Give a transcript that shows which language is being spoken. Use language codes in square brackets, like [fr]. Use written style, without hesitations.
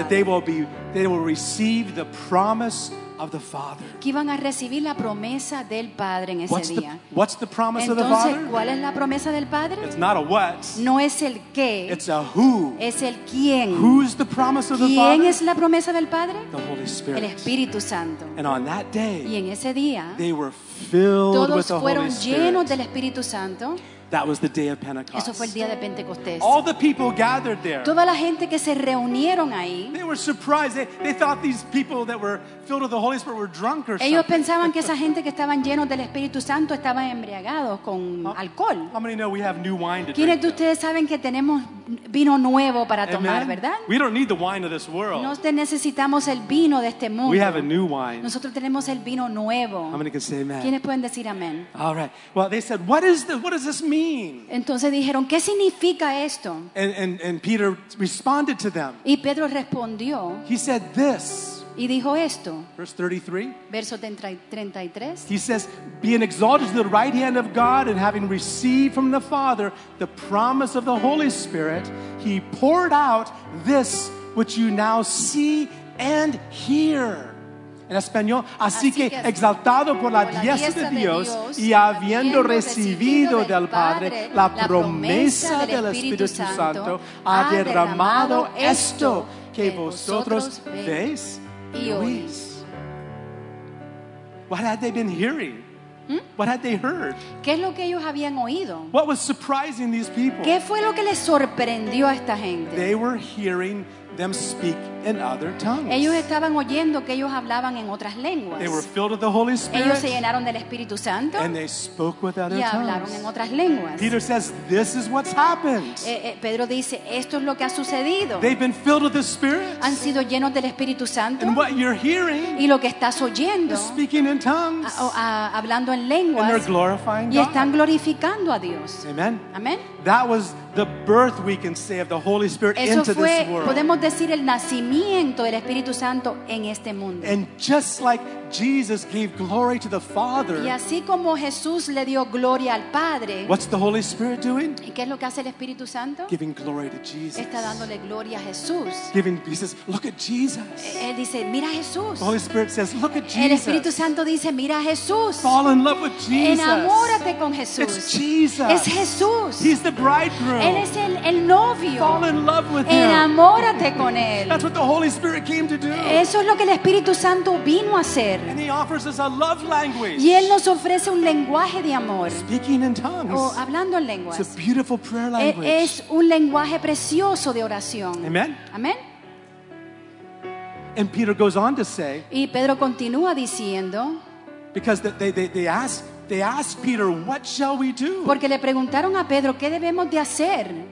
[en] That they will receive the promise of the Father. [es] Que iban a recibir la promesa del Padre en ese [en] what's [es] día. [en] What's the promise [es] entonces, [en] of the Father? [es] Entonces, ¿cuál es la promesa del Padre? [en] It's not a what. [es] No es el qué. [en] It's a who. [es] Es el quién. [en] Who's the promise of the [es] ¿quién [en] Father? [es] ¿Quién es la promesa del Padre? [en] The Holy Spirit. [es] El Espíritu Santo. [en] And on that day, [es] y en ese día, [en] they were filled [es] todos [en] with the [es] fueron [en] Holy [es] llenos [en] Spirit. [es] Del Espíritu Santo. [en] That was the day of Pentecost. [es] Eso fue el día de Pentecostés. [en] All the people gathered there. [es] Toda la gente que se reunieron ahí. [en] They were surprised. They thought these people that were filled with the Holy Spirit were drunk or something. [es] Ellos pensaban que esa gente que estaban llenos del Espíritu Santo estaban embriagados con alcohol. [en] How many know we have new wine to [es] ¿quiénes [en] drink? [es] De ustedes saben que tenemos vino nuevo para [en] amen? [es] Tomar, ¿verdad? [en] We don't need the wine of this world. [es] No necesitamos el vino de este mundo. [en] We have a new wine. [es] Nosotros tenemos el vino nuevo. [en] How many can say amen? [es] ¿Quiénes pueden decir amén? [en] All right. Well, they said, what does this mean? [es] Entonces dijeron, ¿qué significa esto? [en] And Peter responded to them. [es] Y Pedro respondió. [en] He said this. [es] Y dijo esto. Verso 33. [en] He says, being exalted to the right hand of God and having received from the Father the promise of the Holy Spirit, he poured out this which you now see and hear. [es] En español, así que exaltado por la diestra de Dios y habiendo recibido del Padre la promesa del Espíritu Santo, ha derramado esto que vosotros veis y oís. [en] What had they been hearing? What had they heard? [es] ¿Qué es lo que ellos habían oído? [en] What was surprising these people? [es] ¿Qué fue lo que les sorprendió a esta gente? [en] They were hearing them speak in other tongues. [es] Ellos estaban oyendo que ellos hablaban en otras lenguas. [en] They were filled with the Holy Spirit. [es] Ellos se llenaron del Espíritu Santo. [en] And they spoke with other [es] y hablaron [en] tongues. [es] En otras lenguas. [en] Peter says, "This is what's happened." [es] Pedro dice, esto es lo que ha sucedido. [en] They've been filled with the Spirit. [es] Han sido llenos del Espíritu Santo. [en] And what you're hearing. [es] Y lo que estás oyendo. [en] Is speaking in tongues. [es] Hablando en lenguas. [en] And they're glorifying God. [es] Y están glorificando a Dios. [en] Amen. [es] Amen. [en] That was the birth, we can say, of the Holy Spirit [es] eso [en] into [es] fue, [en] this world. [es] Podemos decir el nacimiento del Espíritu Santo en este mundo. [en] And just like Jesus gave glory to the Father. [es] Y así como Jesús le dio gloria al Padre. [en] What's the Holy Spirit doing? [es] ¿Y qué es lo que hace el Espíritu Santo? [en] Giving glory to Jesus. [es] Está dándole gloria a Jesús. [en] He says, look at Jesus. [es] Él dice, mira a Jesús. [en] The Holy Spirit says, look at Jesus. [es] El Espíritu Santo dice, mira a Jesús. [en] Fall in love with Jesus. [es] Enamórate con Jesús. [en] It's Jesus. [es] Es Jesús. [en] He's the bridegroom. [es] Él es el novio. [en] Fall in love with him. [es] Enamórate con él. [en] That's what the Holy Spirit came to do. [es] Eso es lo que el Espíritu Santo vino a hacer. [en] And he offers us a love language. [es] Y él nos ofrece un lenguaje de amor. [en] Speaking in tongues. [es] O hablando en lenguas. [en] It's a beautiful prayer language. [es] Es un lenguaje precioso de oración. [en] Amen. [es] Amen. [en] And Peter goes on to say. [es] Y Pedro continúa diciendo. [en] Because they asked Peter, what shall we do? [es] Porque le preguntaron a Pedro, ¿qué debemos de hacer?